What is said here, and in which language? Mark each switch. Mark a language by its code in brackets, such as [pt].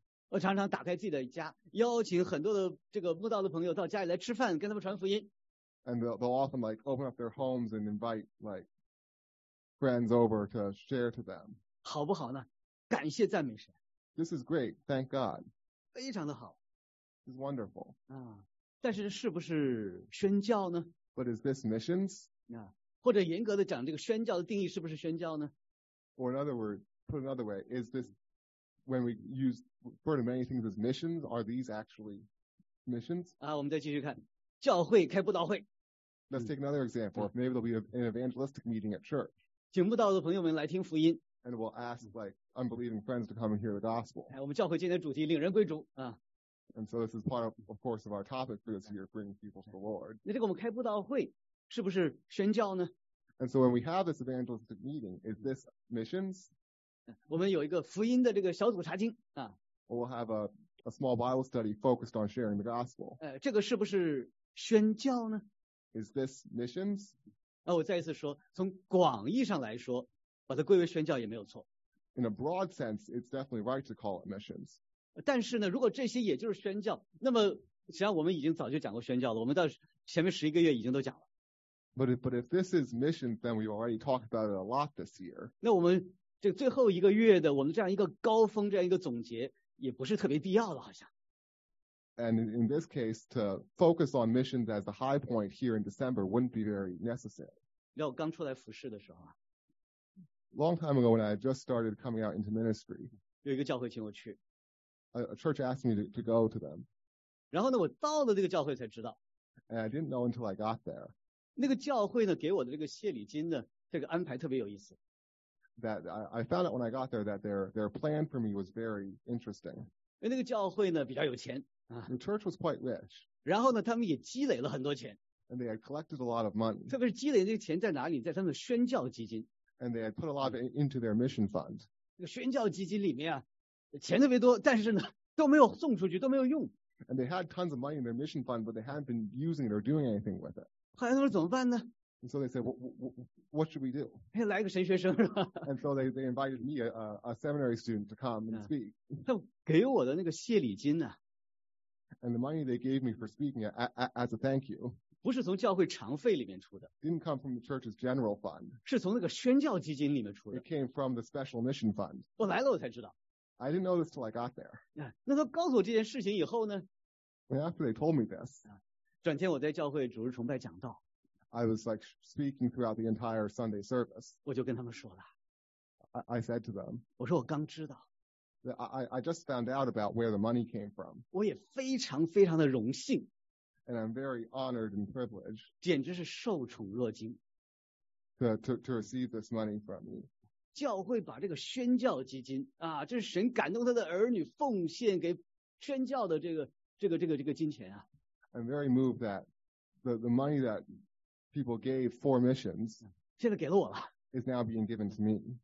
[zh] 我常常打开自己的家，邀请很多的这个慕道的朋友到家里来吃饭，跟他们传福音。 [en] And they'll often like open up their homes and invite like friends over to share to them. [zh] 好不好呢？感谢赞美神。 [en] This is great, thank God. [zh] 非常的好。 [en] It's wonderful. [zh] 但是是不是宣教呢？ [en] But is this missions? [zh] 或者严格的讲，这个宣教的定义是不是宣教呢？ [en] Or in other words, put another way, is this, when we use, refer to many things as missions, are these actually missions? [zh] 我们再继续看，教会开布道会。 [en] Let's take another example. Maybe there'll be an evangelistic meeting at church. [zh] 请慕道的朋友们来听福音。 [en] And we'll ask like unbelieving friends to come and hear the gospel. [zh] 我们教会今天的主题，领人归主。 [en] And so this is part of course, of our topic for this year, bringing people to the Lord. [zh] 那这个我们开布道会是不是宣教呢？ [en] And so when we have this evangelistic meeting, is this missions? [zh] 我们有一个福音的这个小组查经。 [en] We'll have a small Bible study focused on sharing the gospel. [zh] 这个是不是宣教呢？ [en] Is this missions? [zh] 我再一次说，从广义上来说，把它归为宣教也没有错。 [en] In a broad sense, it's definitely right to call it missions. [zh] 但是呢，如果这些也就是宣教，那么实际上我们已经早就讲过宣教了，我们到前面十一个月已经都讲了。 [en] But if this is missions, then we already talked about it a lot this year. [zh] 那我们这最后一个月的我们这样一个高峰，这样一个总结，也不是特别必要了，好像。 [en] And in this case, to focus on missions as the high point here in December wouldn't be very necessary. [zh] 那我刚出来服事的时候啊。 [en] Long time ago, when I just started coming out into ministry. [zh] 有一个教会请我去。 [en] A church asked me to go to them. [zh] 然后呢，我到了这个教会才知道。 [en] And I didn't know until I got there. [zh] 那个教会呢，给我的这个谢礼金呢，这个安排特别有意思。 [en] that I found out when I got there that their plan for me was very interesting. [zh] 因为那个教会呢, 比较有钱, [en] the church was quite rich. [zh] 然后呢, [en] and they had collected a lot of money. [zh] 特别是积累那个钱在哪里, [en] and they had put a lot of into their mission fund. [zh] 那个宣教基金里面啊, 钱特别多, 但是呢, 都没有送出去, 都没有用。 [en] And they had tons of money in their mission fund, but they hadn't been using it or doing anything with it. [zh] 后来他们说怎么办呢? [en] And so they said, what should we do? [zh] 来个神学生, [en] and so they invited me, a seminary student, to come and speak. [zh] 他给我的那个谢礼金呢, [en] and the money they gave me for speaking as a thank you [zh] 不是从教会常费里面出的, [en] didn't come from the church's general fund. [zh] 是从那个宣教基金里面出的, [en] it came from the special mission fund. [zh] 我来了我才知道, [en] I didn't know this till I got there. [zh] 那他告诉我这件事情以后呢, [en] and after they told me this, [zh] 转天我在教会主日崇拜讲道, [en] I was like speaking throughout the entire Sunday service. [zh] 我就跟他们说了, [en] I said to them, [zh] 我说我刚知道, [en] that I just found out about where the money came from. [zh] 我也非常非常的荣幸, [en] and I'm very honored and privileged, [zh] 简直是受宠若惊, [en] to receive this money from me. [zh] 教会把这个宣教基金, 啊, 这是神感动他的儿女奉献给宣教的这个金钱, [en] I'm very moved that the money that people gave for missions is now being given to me.